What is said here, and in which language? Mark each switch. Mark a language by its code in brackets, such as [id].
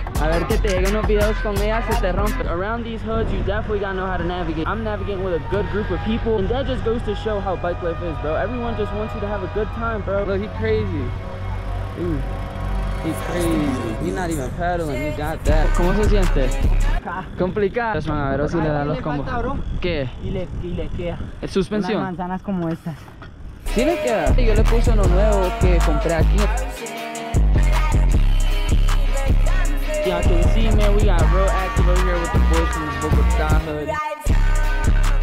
[es] A ver que te lleguen unos videos con ella se te rompe. [en] Around these hoods, you definitely gotta know how to navigate. I'm navigating with a good group of people, and that just goes to show how bike life is, bro. Everyone just wants you to have a good time, bro. Look, he crazy. He's crazy. He's not even pedaling. He got that. [es] ¿Cómo se siente? Complicado. Entonces van a ver si le da los combos. ¿Qué? Y le queda. ¿Es suspensión? Unas manzanas como estas. ¿Sí le queda? Sí, yo le puse uno nuevo que compré aquí. [en] Y'all can see, man, we got real active over here with the boys from the Bogotá hood.